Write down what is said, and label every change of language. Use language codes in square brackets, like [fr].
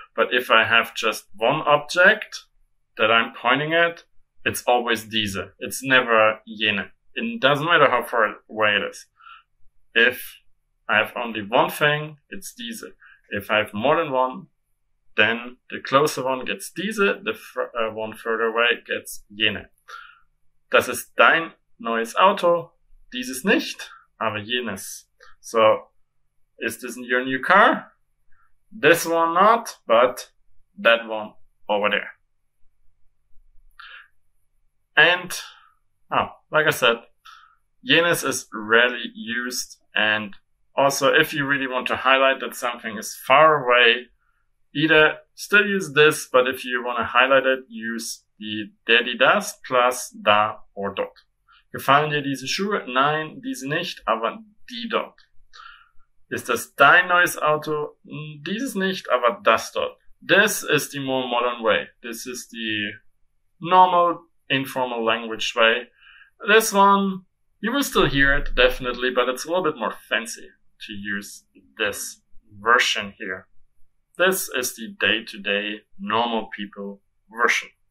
[en] But if I have just one object that I'm pointing at, it's always dieser. It's never jener. It doesn't matter how far away it is. If I have only one thing, it's diese. If I have more than one, then the closer one gets diese, the one further away gets jene. [de] Das ist dein neues Auto, dieses nicht, aber jenes. [en] So, is this your new car? This one not, but that one over there. And, like I said, jenes is rarely used, and also if you really want to highlight that something is far away, either still use this, but if you want to highlight it, use the der, die, das plus da or dort. [de] Gefallen dir diese Schuhe? Nein, diese nicht, aber die dort. Ist das dein neues Auto? Dieses nicht, aber das dort. [en] This is the more modern way. This is the normal informal language way. This one, you will still hear it, definitely, but it's a little bit more fancy to use this version here. This is the day-to-day normal people version.